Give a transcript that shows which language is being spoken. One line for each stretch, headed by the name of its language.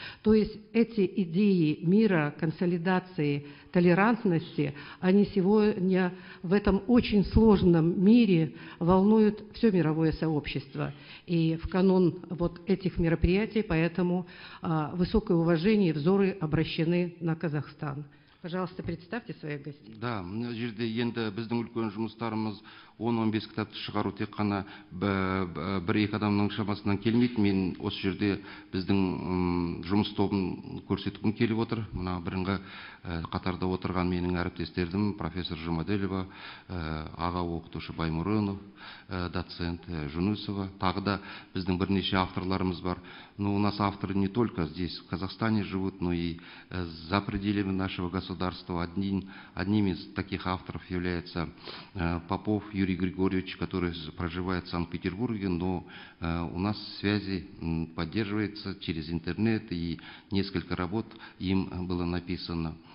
Russian: То есть эти идеи мира, консолидации, толерантности, они сегодня в этом очень сложном мире волнуют все мировое сообщество. И в канун вот этих мероприятий поэтому высокое уважение и взоры обращены на Казахстан. Пожалуйста, представьте своих гостей.
Kazakh: Да, мына жерде енді біздің үлкен жұмыстарымыз 10-15 кітапты шығару тек қана бір-екі адамның шамасынан келмейді. Мен осы жерде біздің жұмыс тобын көрсеткім келіп отыр. Мына бірінгі қатарда отырған менің әріптестерім профессор Жұмаділова, аға оқытушы Баймұрынов, доцент Жүнісова, тағы да біздің бірнеше авторларымыз бар.
Russian: Но у нас авторы не только здесь, в Казахстане живут, но и за пределами нашего государства. Одним из таких авторов является Попов Юрий Григорьевич, который проживает в Санкт-Петербурге, но у нас связи поддерживаются через интернет, и несколько работ им было написано.